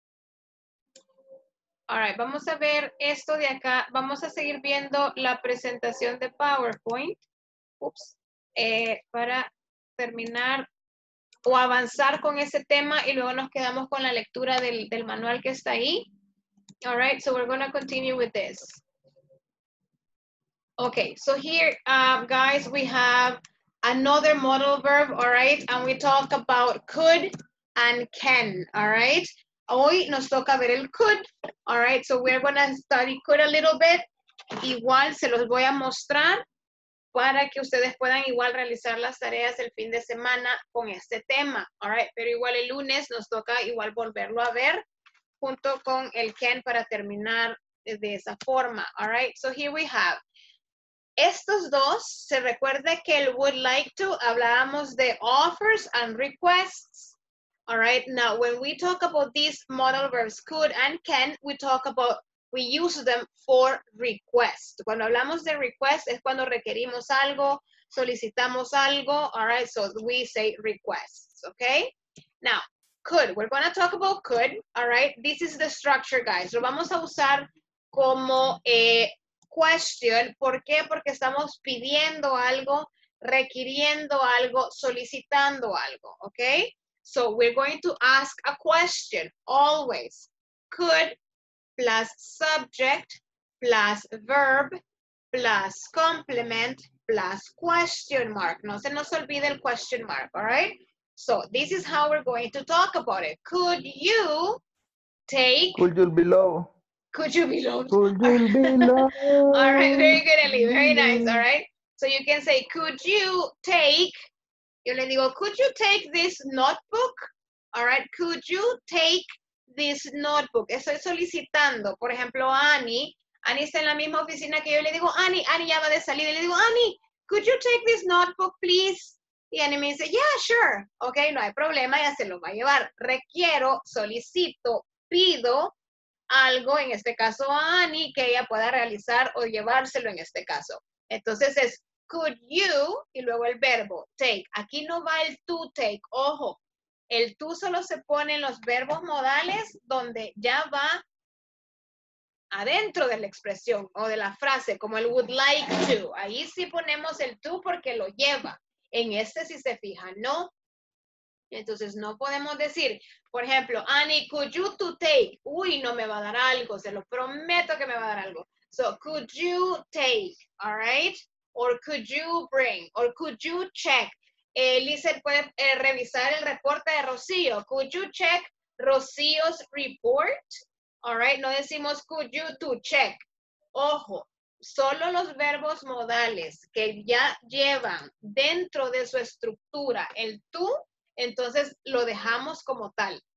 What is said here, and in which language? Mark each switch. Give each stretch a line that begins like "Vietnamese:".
Spanish: Okay. All right, vamos a ver esto de acá. Vamos a seguir viendo la presentación de PowerPoint. Oops. Para terminar o avanzar con ese tema y luego nos quedamos con la lectura del manual que está ahí.
English: All right, so we're going to continue with this. Okay, so here, guys, we have another modal verb, all right? And we talk about could and can, all right?
Spanish: Hoy nos toca ver el could,
English: all right? So we're going to study could a little bit.
Spanish: Igual se los voy a mostrar para que ustedes puedan igual realizar las tareas el fin de semana con este tema, all right? Pero igual el lunes nos toca igual volverlo a ver junto con el can para terminar de esa forma, all right?
English: So here we have.
Spanish: Estos dos, se recuerda que el would like to, hablábamos de
English: offers and requests. All right, now when we talk about these modal verbs could and can, we talk about, we use them for request.
Spanish: Cuando hablamos de request es cuando requerimos algo, solicitamos algo.
English: All right, so we say requests, okay? Now, could, we're going to talk about could, all right? This is the structure, guys.
Spanish: Lo vamos a usar como question. ¿Por qué? Porque estamos pidiendo algo, requiriendo algo, solicitando algo, okay?
English: So we're going to ask a question, always. Could plus subject plus verb plus complement plus question mark.
Spanish: No se nos olvide el question mark, all right?
English: So this is how we're going to talk about it. Could you take... Could you be low? Could you be loved? Could you be loved? All right, very good, Ellie. Very nice, all right? So you can say, could you take,
Spanish: yo le digo,
English: could you take this notebook? All right, could you take this notebook?
Spanish: Estoy solicitando, por ejemplo, a Annie. Annie está en la misma oficina que yo. Le digo, Annie, Annie ya va de salida. Le digo,
English: Annie, could you take this notebook, please?
Spanish: Y Annie me dice,
English: yeah, sure.
Spanish: Okay, no hay problema, ya se lo va a llevar. Requiero, solicito, pido algo, en este caso a Annie, que ella pueda realizar o llevárselo en este caso. Entonces es, could you, y luego el verbo, take. Aquí no va el to take, ojo. El to solo se pone en los verbos modales donde ya va adentro de la expresión o de la frase, como el would like to. Ahí sí ponemos el to porque lo lleva. En este, si se fija, no. Entonces, no podemos decir, por ejemplo, Annie,
English: could you to take?
Spanish: Uy, no me va a dar algo, se lo prometo que me va a dar algo.
English: So, could you take, all right? Or could you bring? Or could you check?
Spanish: Lizeth puede revisar el reporte de Rocío.
English: Could you check Rocío's report?
Spanish: All right, no decimos
English: could you to check.
Spanish: Ojo, solo los verbos modales que ya llevan dentro de su estructura el to, entonces lo dejamos como tal.